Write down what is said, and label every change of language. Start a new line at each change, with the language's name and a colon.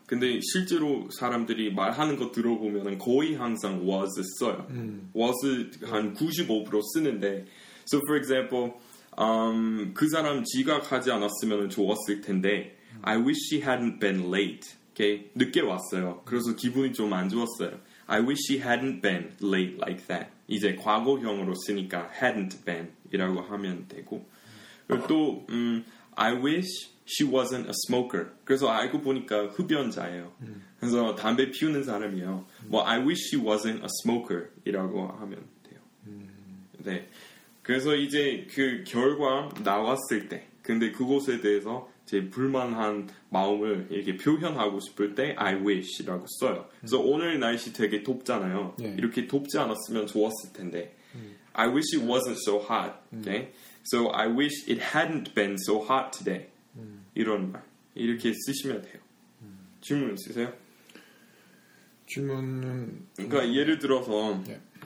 Korean: 근데 실제로 사람들이 말하는 거 들어보면 거의 항상 was 써요.
English: Was
Korean: 한 95% 쓰는데
English: So for example
Korean: 그 사람 지각하지 않았으면 좋았을 텐데
English: I wish she hadn't been late. Okay?
Korean: 늦게 왔어요. 그래서 기분이 좀 안 좋았어요.
English: I wish she hadn't been late like that.
Korean: 이제 과거형으로 쓰니까 hadn't been 이라고 하면 되고 그리고 또
English: I wish she wasn't a smoker.
Korean: 그래서 알고 보니까 흡연자예요. 그래서 담배 피우는 사람이에요. 뭐
English: I wish she wasn't a smoker
Korean: 이라고 하면 돼요. 네. 그래서 이제 그 결과 나왔을 때 근데 그곳에 대해서 제 불만한 마음을 이렇게 표현하고 싶을 때
English: I wish라고
Korean: 써요. 그래서 오늘 날씨 되게 덥잖아요. 예. 이렇게 덥지 않았으면 좋았을 텐데
English: I wish it wasn't so hot. Okay? So I wish it hadn't been so hot today.
Korean: 이런 말 이렇게 쓰시면 돼요. 질문 있으세요? 질문은 그러니까 예를 들어서 예.